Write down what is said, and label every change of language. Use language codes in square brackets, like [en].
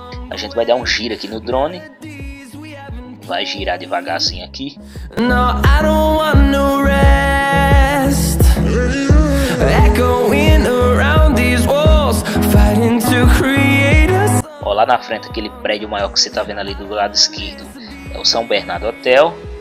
[pt] A gente vai dar um giro aqui no drone. Vai girar devagar assim aqui. [en] No, I don't want no rest. Echoing around these walls, fighting to create us. [pt] Ó, lá na frente, aquele prédio maior que você tá vendo ali do lado esquerdo é o São Bernardo Hotel.